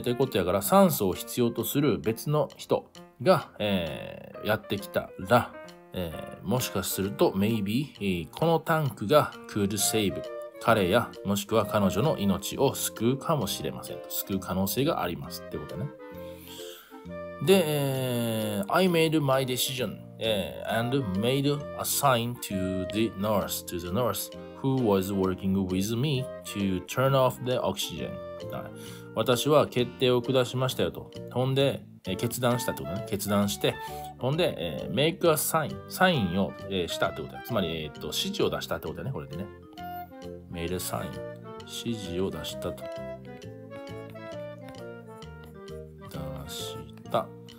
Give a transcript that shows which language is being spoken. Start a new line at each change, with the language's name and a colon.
Japanese: ってことやから、酸素を必要とする別の人が、やってきたら、もしかすると、maybe、このタンクが
English: could save
Japanese: 彼や、もしくは彼女の命を救うかもしれませんと。救う可能性がありますってことね。
English: で、I made my decision。 And made a sign to the nurse, who was working with me to turn off the oxygen.
Japanese: 私は決定を下しましたよと。ほんで、決断したってことね。決断して。ほんで、
English: make a sign。
Japanese: サインを、したってことだ。つまり、指示を出したってことだね。これでね。
English: made a sign。
Japanese: 指示を出したと。出した。